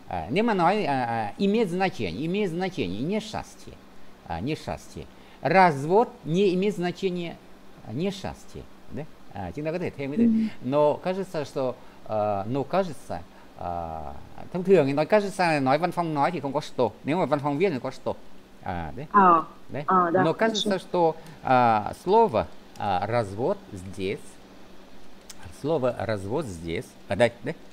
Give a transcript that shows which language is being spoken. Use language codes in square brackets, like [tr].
[vi] Nếu mà nói [ru] имеет значение несчастье, несчастье. Развод не имеет значения несчастье, да? [vi] Chúng ta có thể thêm cái từ. [ru] Но кажется, что, но кажется, [vi] thông thường thì nói кажется là nói văn phong nói thì không có что. Nếu mà văn phong viết thì có что. Đấy. Đấy. Но [ru] Да, хорошо. кажется, что слово развод здесь, слово развод здесь, подать, да?